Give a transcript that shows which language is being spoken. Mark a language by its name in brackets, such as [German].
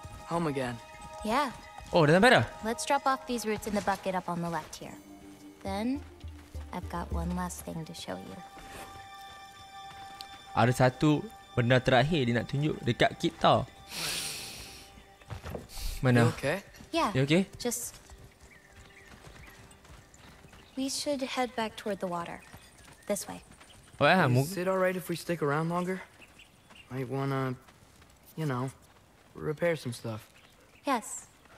[English] Home again. Yeah. [Malay] Oh, dah sampai dah. [English] Let's drop off these roots in the bucket up on the left here. Then, I've got one last thing to show you. [Malay] Ada satu benda terakhir dia nak tunjuk dekat kita. Mana? [English] You okay? Yeah. You okay? Just we should head back toward the water. This way. Oh, yeah. Is it all right if we stick around longer? might wanna, you know, repair some stuff. Yes.